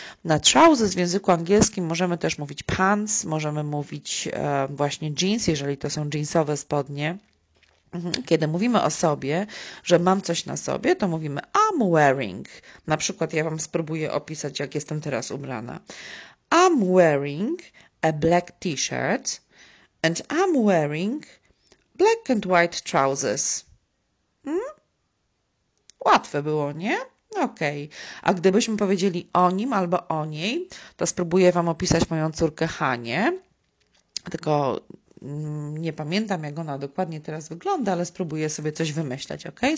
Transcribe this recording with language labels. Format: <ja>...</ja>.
<pl>Na trousers w języku angielskim możemy też mówić pants, możemy mówić właśnie jeans, jeżeli to są jeansowe spodnie. Kiedy mówimy o sobie, że mam coś na sobie, to mówimy</pl> <en>I'm wearing.</en> <pl>Na przykład ja Wam spróbuję opisać, jak jestem teraz ubrana.</pl> <en>I'm wearing a black t-shirt and I'm wearing black and white trousers.</en> <pl>Łatwe było, nie? Okej. A gdybyśmy powiedzieli o nim albo o niej, to spróbuję Wam opisać moją córkę Hanię. Tylko nie pamiętam, jak ona dokładnie teraz wygląda, ale spróbuję sobie coś wymyślać, okej?</pl>